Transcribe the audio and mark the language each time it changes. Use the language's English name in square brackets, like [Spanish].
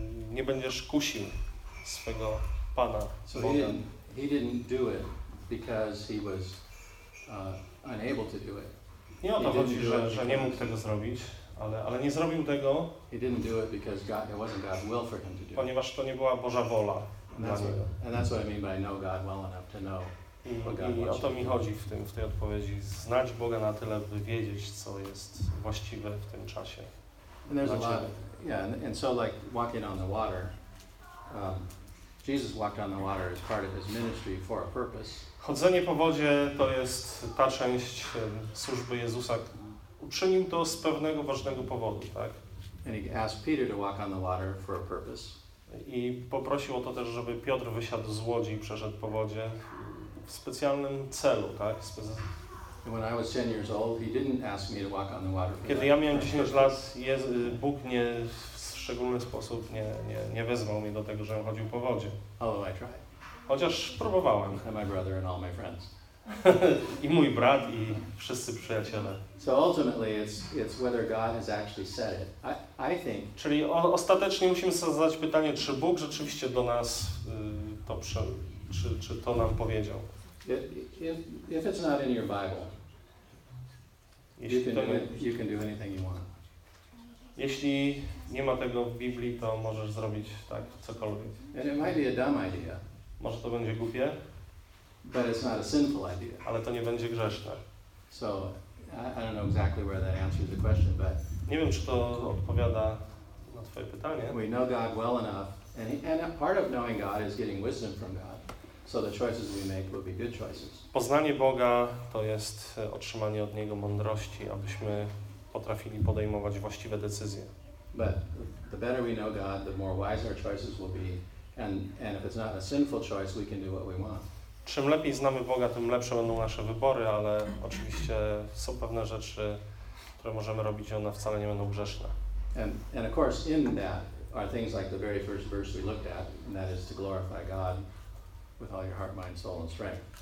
[Polish] Nie będziesz kusił swego Pana Boga. [English] So he didn't do it because he was unable to do it. [Polish] Nie o to chodzi, że nie mógł tego zrobić, ale nie zrobił tego. [English] He didn't do it because God, it wasn't God's will for him to do. [Polish] Ponieważ to nie była Boża wola dla niego. [English] And that's what I mean by know God well enough to know. [Polish] I o to mi chodzi w tej odpowiedzi. Znać Boga na tyle, by wiedzieć, co jest właściwe w tym czasie. [English] And there's a lot of, yeah, and so like walking on the water. Jesus walked on the water as part of his ministry for a purpose. [Polish] Chodzenie po wodzie to jest ta część służby Jezusa. Uczynił to z pewnego ważnego powodu, tak? [English] And he asked Peter to walk on the water for a purpose. [Polish] I poprosił o to też, żeby Piotr wysiadł z łodzi i przeszedł po wodzie. W specjalnym celu, tak? [English] When I was 10 years old, he didn't ask me to walk on the water. [Polish] Kiedy ja miałem 10 lat, Bóg nie w szczególny sposób nie wezwał mnie do tego, żebym chodził po wodzie. [English] Although I tried. [Polish] Chociaż próbowałem. [English] And my brother and all my friends. [Polish] I mój brat i wszyscy przyjaciele. [English] So ultimately it's whether God has actually said it. I think. [Polish] Czyli ostatecznie musimy sobie zadać pytanie, czy Bóg rzeczywiście do nas to czy to nam powiedział. [English] If it's not in your Bible. You can do anything you want. [Polish] Jeśli nie ma tego w Biblii, to możesz zrobić tak cokolwiek. [English] And it might be a dumb idea. [Polish] Może to będzie głupie. [English] But it's not a sinful idea. [Polish] Ale to nie będzie grzeszne. [English] So I don't know exactly where that answers the question, but [Polish] nie wiem, czy to odpowiada na twoje pytanie. [English] We know God well enough, and a part of knowing God is getting wisdom from God. So the choices we make will be good choices. [Polish] Poznanie Boga to jest otrzymanie od Niego mądrości, abyśmy potrafili podejmować właściwe decyzje. [English] But the better we know God, the more wise our choices will be, and if it's not a sinful choice, we can do what we want. [Polish] Czym lepiej znamy Boga, tym lepsze będą nasze wybory, ale oczywiście są pewne rzeczy, które możemy robić i one wcale nie będą grzeszne. [English] And of course in that are things like the very first verse we looked at, and that is to glorify God with all your heart, mind, soul and strength.